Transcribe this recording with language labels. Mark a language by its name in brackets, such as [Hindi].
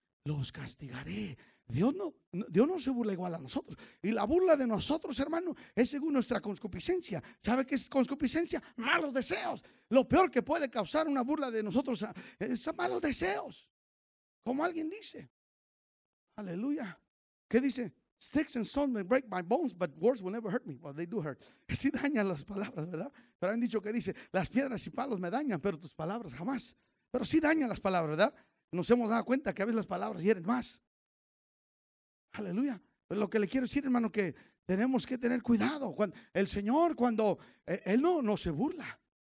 [Spanish] Los castigaré. Dios no se burla igual a nosotros. Y la burla de nosotros, hermano, es según nuestra concupiscencia. ¿Sabe qué es concupiscencia? Malos deseos. Lo peor que puede causar una burla de nosotros es malos deseos. Como alguien dice. Aleluya. ¿Qué dice? [English] Sticks and stones may break my bones, but words will never hurt me. Well, they do hurt. [Spanish] Así dañan las palabras, ¿verdad? Pero han dicho que dice, las piedras y palos me dañan, pero tus palabras jamás. Pero sí dañan las palabras, ¿verdad? Nos hemos dado cuenta que a veces las palabras hieren más. Aleluya. Pero lo que le quiero decir, hermano, que tenemos que tener cuidado. El Señor, cuando Él no se burla.